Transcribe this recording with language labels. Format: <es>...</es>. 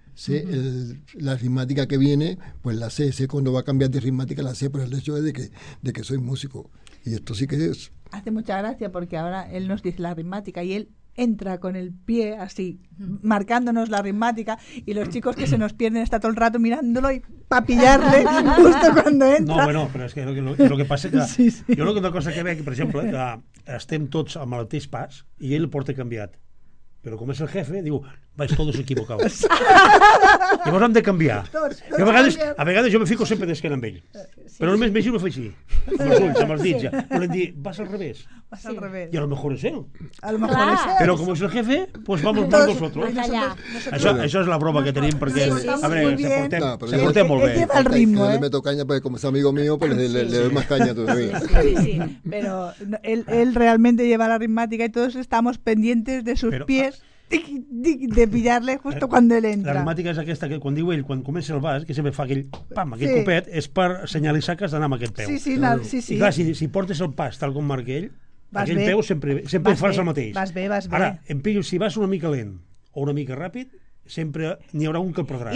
<es>Sé la ritmática que viene, pues la sé. Sé cuando va a cambiar de ritmática, la sé por el hecho de que soy músico. Y esto sí que es. Hace mucha gracia porque ahora él nos dice la ritmática y él entra con el pie así, marcándonos la ritmática, y los chicos que se nos pierden están todo el rato mirándolo y para pillarle justo cuando entra. No, bueno, pero es que lo que pasa es que sí. Yo creo que una cosa que veo, por ejemplo,</es> <ca>que estem tots amb el mateix pas i ell el porta canviat. Però com és el jefe, diu,</ca> <es>vais todos equivocados.</es> <ca>Llavors hem de canviar. Tots a vegades canviem. A vegades jo me fico sempre d'esquena amb ell. Però només m'hi giro i ho faig així. Amb els ulls, amb els dits. Volem dir, vas al revés. Vas al revés. I</ca> <es>a lo mejor</es> <ca>és ell.</ca> <es>A lo mejor</es> <ca>és ell. Però com és el jefe,</ca> <es>pues vamos mal vosotros.</es> <ca>Això és la prova que tenim, perquè a veure, se portem molt bé.</ca> <es>Ell lleva el ritmo, Le meto caña,</es> <ca>perquè com és</ca> <es>amigo mío, pues le doy más caña todavía. Sí.</es> <ca>Però ell</ca> <es>realmente lleva la ritmática i todos estamos pendientes de sus pies. De pillarle justo cuando él entra.</es> <ca>La ritmàtica és aquesta que quan diu ell, quan comença el bas, que sempre fa aquell pam, aquell copet, és per senyalitzar que has d'anar amb aquest peu. Sí. I clar, si portes el pas tal com marca ell, aquell peu sempre fas el mateix. Vas bé. Ara, em pillo, si vas una mica lent o una mica ràpid, sempre n'hi haurà un que el perdrà.</ca>